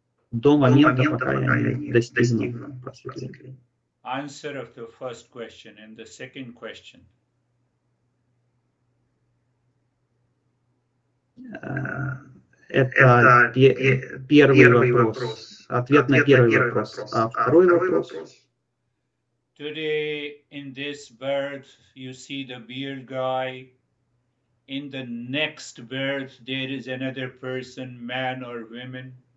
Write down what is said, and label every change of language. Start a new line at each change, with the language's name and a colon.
Russian: До момента, пока я не достигну просветления.
English: Answer of the first question and the second question.
Russian: Это первый вопрос. Ответ на первый вопрос. А второй вопрос?
English: Today in this birth you see the beard guy. In the next birth there is another person, man or woman.